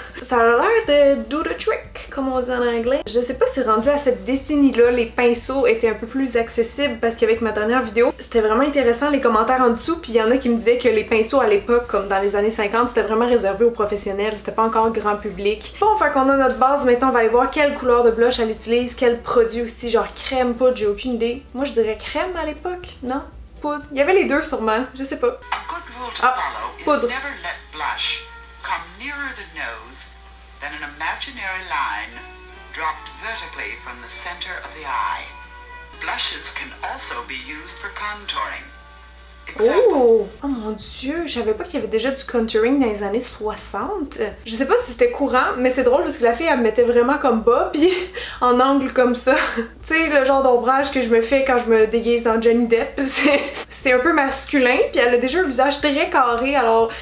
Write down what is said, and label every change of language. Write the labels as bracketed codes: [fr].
[fr] ça a l'air de [en] do the trick, [fr] comme on dit en anglais. Je sais pas si rendu à cette décennie-là, les pinceaux étaient un peu plus accessibles, parce qu'avec ma dernière vidéo, c'était vraiment intéressant les commentaires en dessous, puis il y en a qui me disaient que les pinceaux à l'époque, comme dans les années 50, c'était vraiment réservé aux professionnels, c'était pas encore grand public. Bon, fait qu'on a notre base, maintenant on va aller voir quelle couleur de blush elle utilise, quel produit aussi, genre crème, poudre, j'ai aucune idée. Moi je dirais crème à l'époque, non? Poudre. Il y avait les deux sûrement, je sais pas. Ah, poudre. [en] Blush come nearer the nose than an imaginary line dropped vertically from the center of the eye. Blushes can also be used for contouring. [fr] Oh mon dieu, je savais pas qu'il y avait déjà du contouring dans les années 60. Je sais pas si c'était courant, mais c'est drôle parce que la fille elle me mettait vraiment comme bas, puis en angle comme ça. Tu sais, le genre d'ombrage que je me fais quand je me déguise en Johnny Depp, c'est un peu masculin, puis elle a déjà un visage très carré, alors...